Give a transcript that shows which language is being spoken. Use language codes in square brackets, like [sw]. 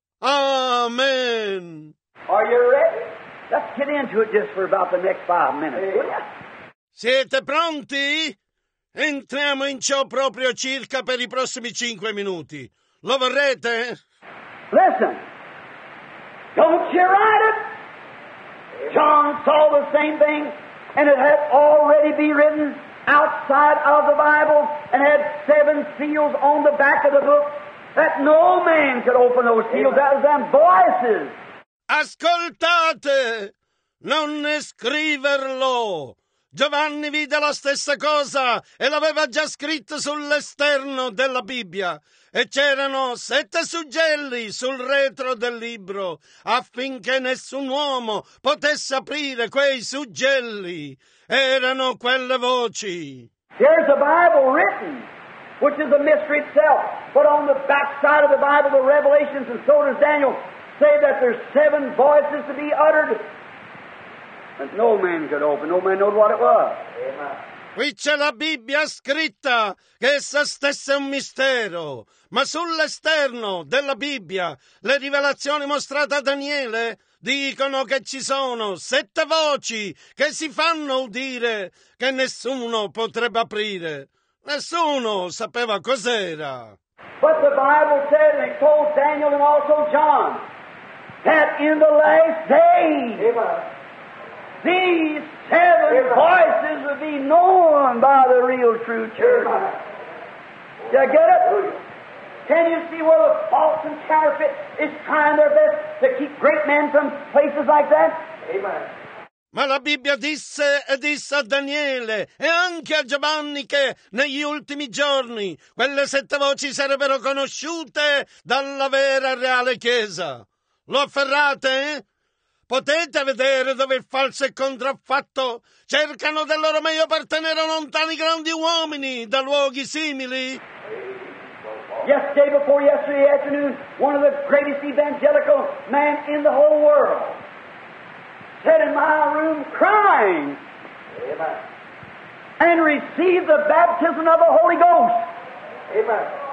[en] Amen! Are you ready? Let's get into it just for about the next 5 minutes, will ya? [it] Siete pronti? Entriamo in ciò proprio circa per i prossimi 5 minuti. Lo vorrete? [en] Listen! Don't you write it? John saw the same thing, and it had already been written outside of the Bible, and had seven seals on the back of the book, that no man could open those seals. That was them voices. [it] Ascoltate, non ne scriverlo. Giovanni vide la stessa cosa e l'aveva già scritto sull'esterno della Bibbia. E c'erano sette suggelli sul retro del libro affinché nessun uomo potesse aprire quei suggelli. Erano quelle voci. [en] Here's the Bible written, which is a mystery itself. But on the back side of the Bible, the Revelations and so does Daniel say that there's seven voices to be uttered. No man could open, no man knows what it was. [it] Qui c'è la Bibbia scritta, che essa stessa è un mistero. Ma sull'esterno della Bibbia, le rivelazioni mostrate a Daniele dicono che ci sono sette voci che si fanno udire, che nessuno potrebbe aprire. Nessuno sapeva cos'era. [en] But the Bible said, and it told Daniel and also John, that in the last days, these seven voices would be known by the real true church. You get it? Can you see where the false and counterfeit is trying their best to keep great men from places like that? Amen. [it] Ma la Bibbia disse e disse a Daniele e anche a Giovanni che negli ultimi giorni quelle sette voci sarebbero conosciute dalla vera reale Chiesa. Lo afferrate? Potete vedere dove il falso e contraffatto cercano del loro meglio per tenere lontani grandi uomini da luoghi simili? [en] Yes, day before yesterday afternoon, one of the greatest evangelical men in the whole world sat in my room crying. Amen. And received the baptism of the Holy Ghost. Amen.